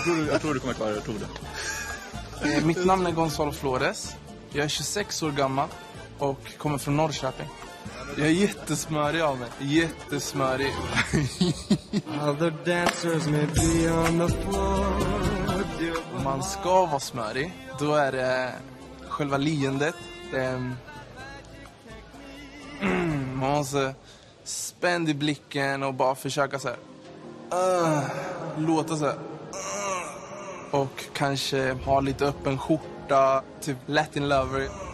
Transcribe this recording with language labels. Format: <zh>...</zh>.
<sv>Jag tror du kommer klara det. Mitt namn är Gonzalo Flores. Jag är 26 år gammal och kommer från Norrköping. Jag är jättesmörig av mig. Jättesmörig.</sv> <en>Other dancers may be on the floor.</en> <sv>Om man ska vara smörig, då är det själva leendet. Man måste spänd i blicken och bara försöka så här. Låta så här. Och kanske ha lite öppen skjorta, typ Latin lover.</sv>